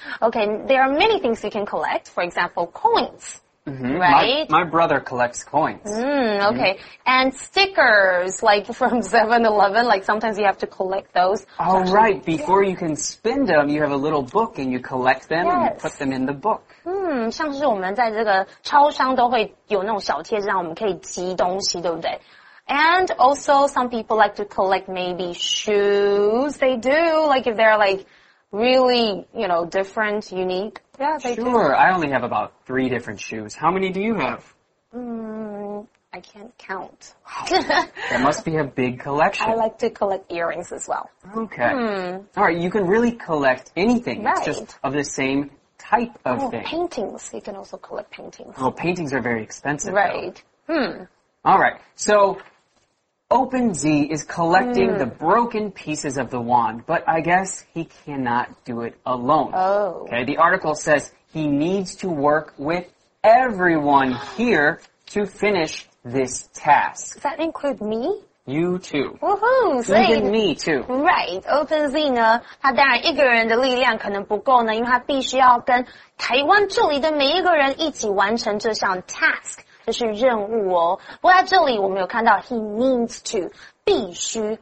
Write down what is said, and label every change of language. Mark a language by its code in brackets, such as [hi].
[en] Okay, there are many things you can collect, for example, coins,、 mm-hmm. right? My brother collects coins. Okay, mm-hmm. And stickers, like from 7-Eleven, like sometimes you have to collect those. Oh, right, before、yeah. you can spend them, you have a little book and you collect them、 yes. and you put them in the book. [zh] 像是我们在这个超商都会有那种小贴纸，让我们可以集东西，对不对？ [en] And also some people like to collect maybe shoes. They do, like if they're like really, you know, different, unique. Yeah, they sure, do. Sure, I only have about 3 different shoes. How many do you have? I can't count. That must be a big collection. I like to collect earrings as well. Okay. All right, you can really collect anything. Right. It's just of the same... type of thing. Paintings. You can also collect paintings. Well, paintings are very expensive. Right.、 Though. All right. So, OpenZ is collecting、the broken pieces of the wand, but I guess he cannot do it alone. Oh. Okay. The article says he needs to work with everyone here to finish this task. Does that include me? You too. Woohoo! Even me too. Right. [zh] OpenZ 呢，他当然一个人的力量可能不够呢，因为他必须要跟台湾助理的每一个人一起完成这项 task， 就是任务哦。不过在这里我们有看到 [en] he needs to， [zh] 必须。